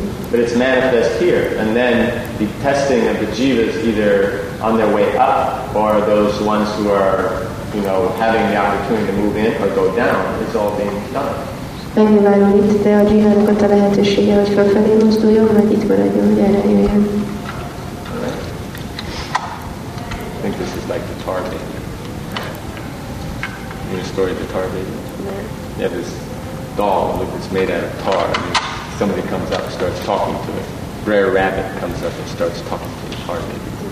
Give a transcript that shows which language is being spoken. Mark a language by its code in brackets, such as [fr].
[en] But it's manifest here, and then the testing of the jivas either on their way up or those ones who are, you know, having the opportunity to move in or go down, it's all being done. [hu] Megnyilvánul itt, de a jivának ott a lehetősége, hogy felfelé mozduljon, vagy itt maradjon, hogy erre jöjjön. [en] I think this is like the tar baby. The story of the tar baby. Yeah. Yeah, this doll, look, it's made out of tar. And somebody comes up and starts talking to it. Brer Rabbit comes up and starts talking to the tar baby.